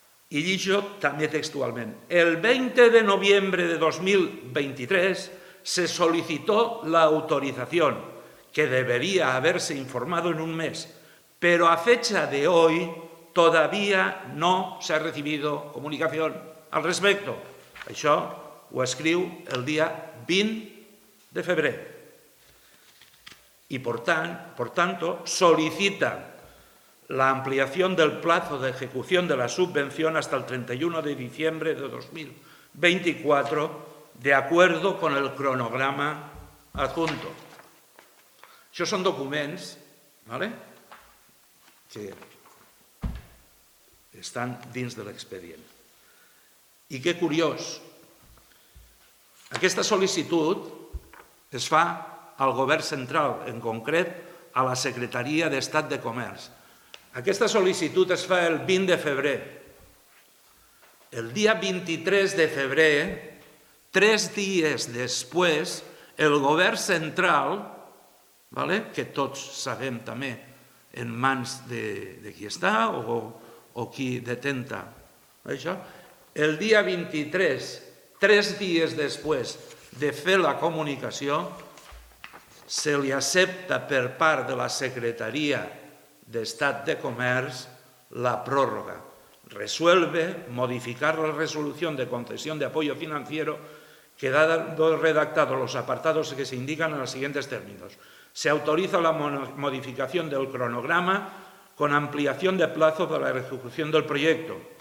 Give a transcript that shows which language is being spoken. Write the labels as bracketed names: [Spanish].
[Spanish] Y dicho también textualmente, el 20 de noviembre de 2023 se solicitó la autorización, que debería haberse informado en un mes, pero a fecha de hoy todavía no se ha recibido comunicación al respecto. [Catalan] Això ho escriu el dia 20 de febrer. [Spanish] Y por tanto, solicita la ampliación del plazo de ejecución de la subvención hasta el 31 de diciembre de 2024, de acuerdo con el cronograma adjunto. [Catalan] Això són documents, ¿vale?, que estan dins de l'expedient. I que curiós, aquesta sol·licitud es fa al Govern central, en concret a la Secretaria d'Estat de Comerç. Aquesta sol·licitud es fa el 20 de febrer. El dia 23 de febrer, tres dies després, el Govern central, ¿vale?, que tots sabem també en mans de qui està o qui detenta això, el dia 23, tres dies després de fer la comunicació, se li accepta per part de la Secretaria d'Estat de Comerç la pròrroga. [Spanish] Resuelve modificar la resolució de concessió de apoyo financiero, quedando redactados los apartados que se indican en los siguientes términos. Se autoriza la modificación del cronograma con ampliación de plazo para la ejecución del proyecto.